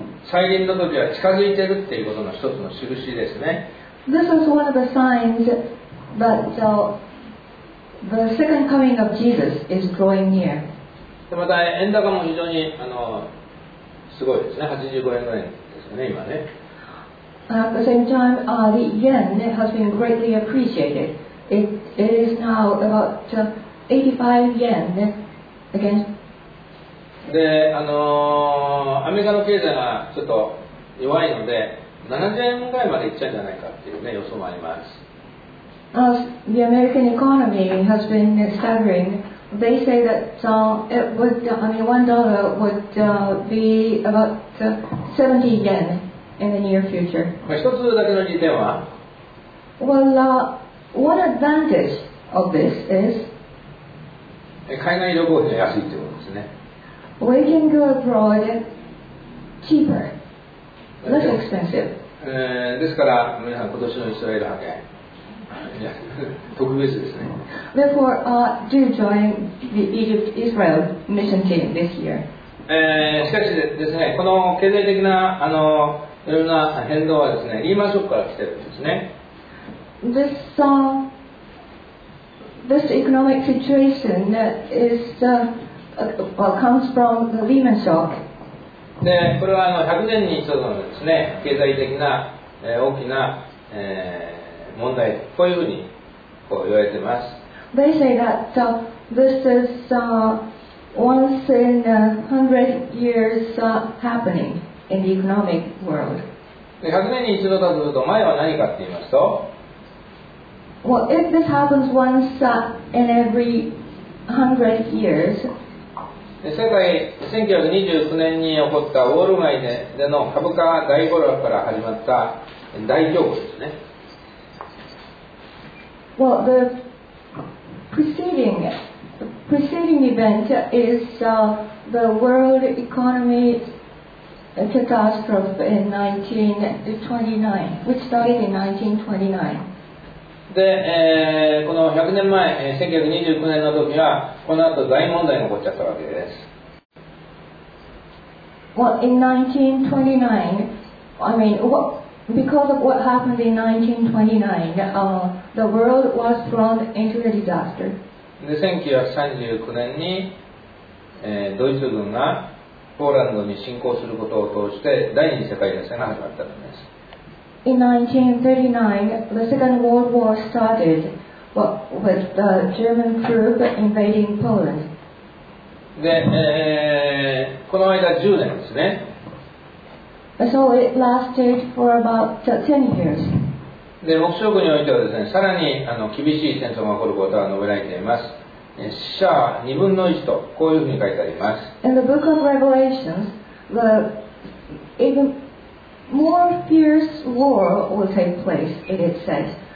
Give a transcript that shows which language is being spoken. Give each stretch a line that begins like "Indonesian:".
Japanese: 再臨の時は近づいてるっていうことの一つの印ですね。
English: This is one of the signs that the second coming of Jesus is drawing near.
Japanese: でまた円高も非常にすごいですね。 85円ぐらいですね、今ね。
English: At the same time, the yen has been greatly appreciated. It is now about 85 yen against.
Japanese: でアメリカの経済がちょっと弱いので70円ぐらいまでいっちゃうんじゃないかっていう、ね、予想もあります。
English: The American economy has been staggering. They say that $1 would be about 70 yen in the near future.
Japanese: 一つだけの利点は
English: Well, what advantage of this is
Japanese: 海外旅行費が安いということですね。
English: We can go abroad cheaper, less expensive.
Japanese: ですから皆さん今年のイスラエル派遣、特別ですね。
English: Therefore, do join the Egypt Israel mission team this year.
Japanese: しかしですね、この経済的ないろんな変動はですね、リーマンショックから来てるんですね。
English: This economic situation is. Comes from the Lehman shock.
Japanese: でこれは100年に一度のですね、経済的な、大きな、問題、こういうふうにこう言われています。
English: They say that this is once in a hundred years happening in the economic world.
Japanese: 100年に一度だとすると前は何かって言いますと、
English: Well, if this happens once in every hundred years
Japanese: 世界1929年に起こったウォール街での株価大暴落から始まった大恐慌ですね。
English: Well, the preceding event is the world economy catastrophe in 1929, which started in 1929.
Japanese: で、この100年前、1929年の時はこの後大問題が起こっちゃったわけです。
English: Well, in 1929, I mean, well, because of what happened in 1929, the world was thrown into a disaster.
Japanese: で、1939年に、ドイツ軍がポーランドに侵攻することを通して第二次世界大戦が始まったんです。
English: In 1939, the Second World War started with the German troop invading Poland.
Japanese: で、この間10年ですね。
English: So it lasted for about 10 years.
Japanese: で、黙示録においてはですね、さらに厳しい戦争が起こることが述べられています。死者2分の1と、こういうふうに書いてあります。
English: In the Book of Revelations, the evenMore fierce war will take place, it is said.